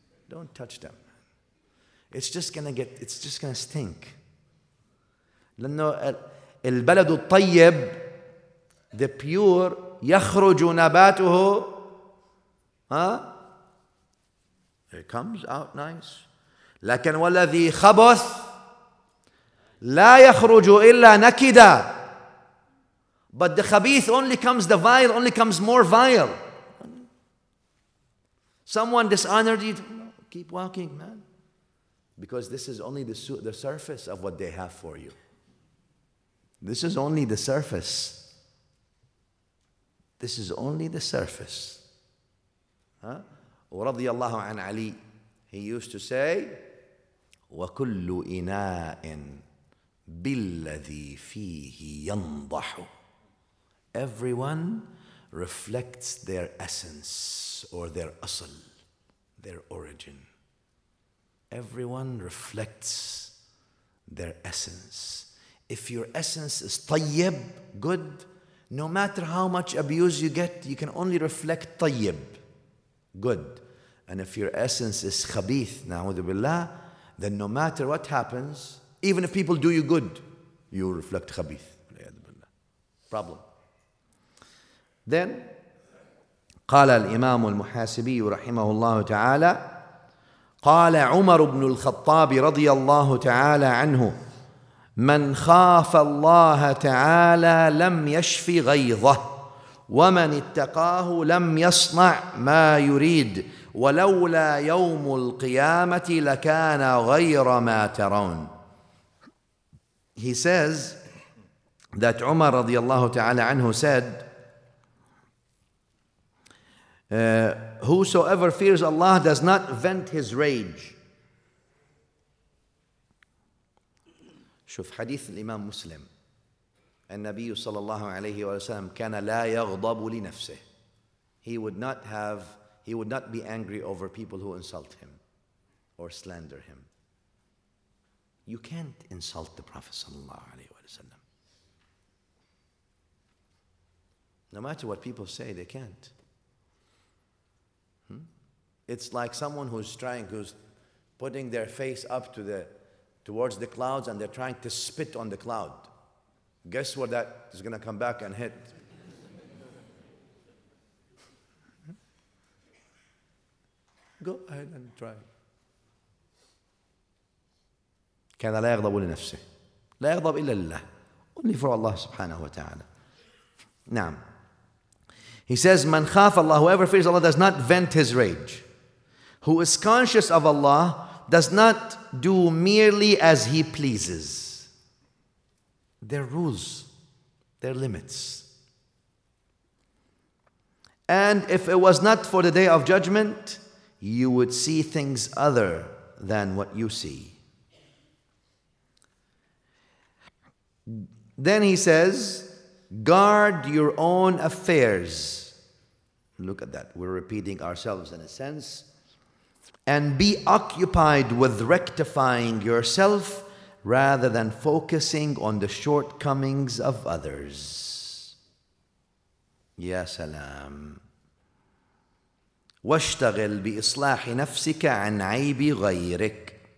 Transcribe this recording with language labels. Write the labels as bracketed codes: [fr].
[en] Don't touch them. It's just gonna stink. [ar] لأنه البلد الطيب, [en] the pure, [ar] يخرج نباته, [en] It comes out nice. [ar] لكن والذي خبث لا يخرج إلا نكدا. [en] But the khabith only comes, the vile only comes more vile. Someone dishonored you, keep walking, man. Because this is only the surface of what they have for you. This is only the surface. This is only the surface. [ar] ورضي الله عن علي, [en] he used to say, [ar] وكل إناء بالذي فيه ينضح. [en] Everyone reflects their essence or their asl, their origin. Everyone reflects their essence. If your essence is tayyib, good, no matter how much abuse you get, you can only reflect tayyib, good. And if your essence is khabith, na'udhu billah, then no matter what happens, even if people do you good, you reflect khabith. Problem. [ar] Then, قال الإمام المحاسبي رحمه الله تعالى قال عمر بن الخطاب رضي الله تعالى عنه من خاف الله تعالى لم يشف غيظه ومن اتقاه لم يصنع ما يريد ولولا يوم القيامة لكان غير ما ترون. [en] He says that Umar [ar] رضي الله تعالى عنه [en] said, whosoever fears Allah does not vent his rage. [ar] شوف حديث الإمام مسلم. النبي صلى الله عليه وسلم كان لا يغضب لنفسه. [en] He would not be angry over people who insult him or slander him. You can't insult the Prophet [ar] صلى الله عليه وسلم. [en] No matter what people say, they can't. It's like someone who's putting their face up towards the clouds and they're trying to spit on the cloud. Guess where that is going to come back and hit? Go ahead and try. [ar] كان لا يغضب لنفسه لا يغضب إلا لله. [en] Only for Allah subhanahu wa ta'ala. نعم. He says, [ar] من خاف الله, [en] whoever fears Allah does not vent his rage. Who is conscious of Allah does not do merely as he pleases. There are rules, there are limits. And if it was not for the day of judgment, you would see things other than what you see. Then he says, guard your own affairs. Look at that. We're repeating ourselves in a sense. And be occupied with rectifying yourself rather than focusing on the shortcomings of others. Ya salam. [ar] واشتغل بإصلاح نفسك عن عيب غيرك.